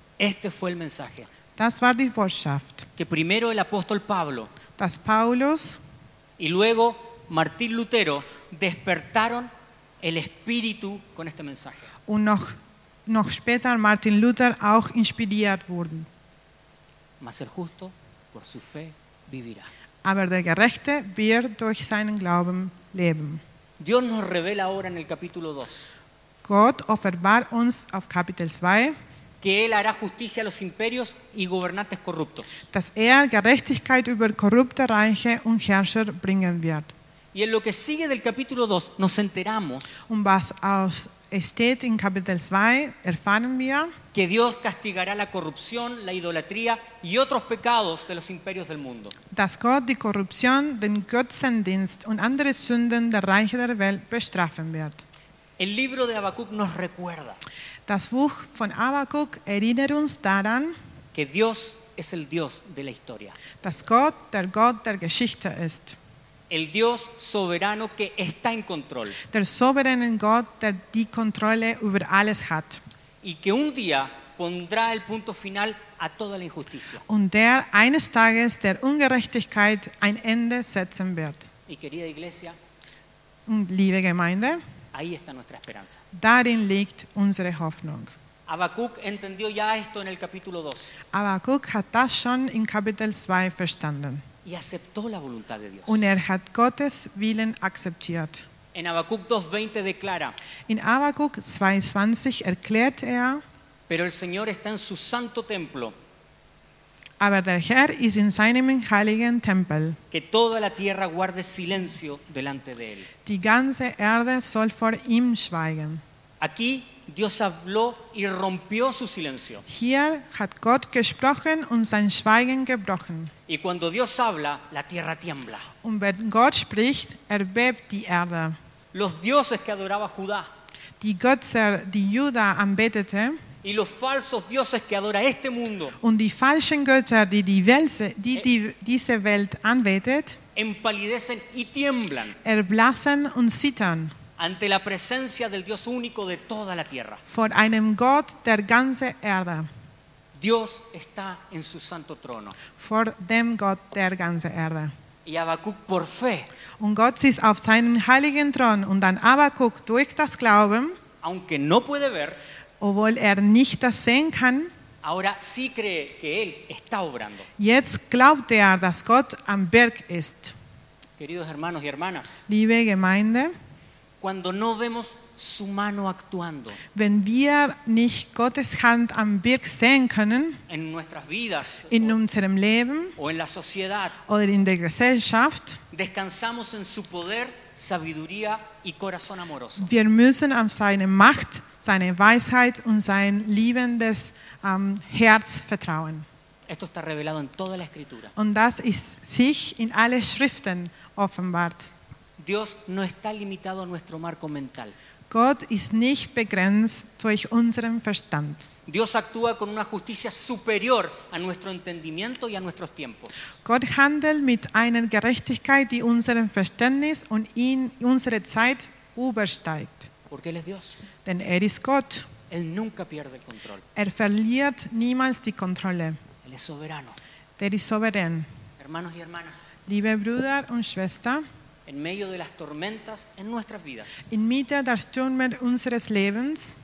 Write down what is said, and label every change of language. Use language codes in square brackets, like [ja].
[es] Este fue el mensaje. [de] Das war die Botschaft. [es] Que primero el apóstol Pablo, [de] dass Paulus [es] y luego Martín Lutero despertaron el espíritu con este mensaje. [de] Und noch später Martin Luther auch inspiriert wurden. [es] Mas el justo por su fe vivirá. [de] Aber der Gerechte wird durch seinen Glauben leben. [es] Dios nos revela ahora en el capítulo 2. [de] Gott offenbart uns auf Kapitel 2, [es] que él hará justicia a los imperios y gobernantes corruptos. [de] Dass er Gerechtigkeit über korrupte Reiche und Herrscher bringen wird. [es] Y en lo que sigue del capítulo 2 nos enteramos. [de] Und was aus steht in Kapitel 2 erfahren wir, [es] que Dios castigará la corrupción, la idolatría y otros pecados de los imperios del mundo. [de] Dass Gott die Korruption, den Götzendienst und andere Sünden der Reiche der Welt bestrafen wird. [es] El libro de Habacuc nos recuerda. [de] Das Buch von Habacuc erinnert uns daran, [es] que Dios es el Dios de la historia. [de] Dass Gott der Gott der Geschichte ist. [es] El Dios soberano que está en control. [de] Der soberane Gott, der die Kontrolle über alles hat. [es] Y que un día pondrá el punto final a toda la injusticia. [de] Und der eines Tages der Ungerechtigkeit ein Ende setzen wird. [es] Y querida iglesia, [de] und liebe Gemeinde, [es] ahí está nuestra esperanza. [de] Darin liegt unsere Hoffnung. [es] Habacuc entendió ya esto en el capítulo 2. [de] Habacuc hat das schon in Kapitel 2 verstanden. [es] Y aceptó la voluntad de Dios. [de] Und er hat Gottes Willen akzeptiert. [es] En Habacuc 2:20 declara. [de] In Habacuc 2:20 erklärt er. [es] Pero el Señor está en su santo templo. [de] Aber der Herr ist in seinem heiligen Tempel. [es] Que toda la tierra guarde silencio delante de él. [de] Die ganze Erde soll vor ihm schweigen. [es] Aquí Dios habló y rompió su silencio. [de] Hier hat Gott gesprochen und sein Schweigen gebrochen. [es] Y cuando Dios habla, la tierra tiembla. [de] Und wenn Gott spricht, erbebt die Erde. [es] Los dioses que adoraba Judá. [de] Die Götze, die Judah anbetete. [es] Y los falsos dioses que adora este mundo. [de] Und die falschen Götter, die diese Welt anbetet. [es] Empalidecen y tiemblan. [de] Erblassen und zittern. [es] Ante la presencia del Dios único de toda la tierra. [de] Vor einem Gott der ganzen Erde. [es] Dios está en su santo trono. [de] Vor dem Gott der ganzen Erde. [es] Y Habacuc por fe. [de] Und Gott sitzt auf seinem heiligen Thron. Und dann Habacuc durch das Glauben. [es] Aunque no puede ver. [de] Obwohl er nicht das sehen kann. [es] Ahora sí cree que él está obrando. [de] Jetzt glaubt er, dass Gott am Werk ist. [es] Queridos hermanos y hermanas. [de] Liebe Gemeinde. [es] Cuando no vemos su mano actuando. [de] Wenn wir nicht Gottes Hand am Werk sehen können. [es] En nuestras vidas. [de] In unserem Leben. [es] O en la sociedad. [de] Oder in der Gesellschaft. [es] Descansamos en su poder, sabiduría y corazón amoroso. [de] Wir müssen auf seine Macht, seine Weisheit und sein liebendes Herz vertrauen. [es] Esto está revelado en toda la Escritura. [de] Und das ist sich in alle Schriften offenbart. [es] Dios no está limitado a nuestro marco mental. [de] Gott ist nicht begrenzt durch unseren Verstand. [es] Dios actúa con una justicia superior a nuestro entendimiento y a nuestros tiempos. [de] Gott handelt mit einer Gerechtigkeit, die unseren Verständnis und in unsere Zeit übersteigt. [es] Porque él es Dios. [de] Denn er ist Gott. [es] Él nunca pierde el control. [de] Er verliert niemals die Kontrolle. [es] Él es soberano. [de] Er ist souverän. [es] Hermanos y hermanas. [de] Liebe Brüder und Schwestern. [es] En medio de las tormentas en nuestras vidas. [de] Inmitten der Stürme unseres Lebens.